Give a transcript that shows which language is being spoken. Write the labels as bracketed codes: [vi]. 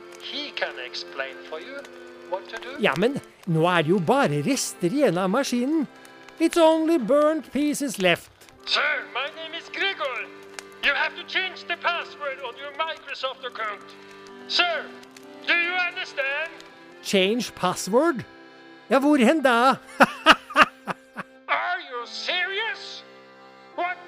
[en] He can explain for you what to do. [no] Ja, men nå er det jo bare rester igjen av maskinen. [en] It's only burnt pieces left. Sir, my name is Gregor. You have to change the password on your Microsoft account. Sir, do you understand? Change password? [no] Ja, hvor hen da? [en] Are you serious? What?